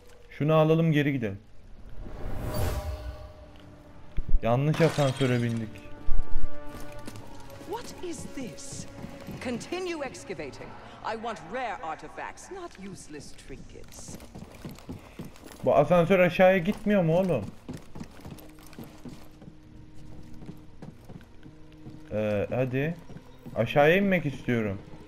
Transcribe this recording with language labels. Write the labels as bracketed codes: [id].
[tr] Şunu alalım geri gidelim. Yanlış asansöre bindik. [en] What is this? Continue excavating. I want rare artifacts, not useless trinkets. [tr] Bu asansör aşağıya gitmiyor mu oğlum? Hadi. Aşağıya inmek istiyorum.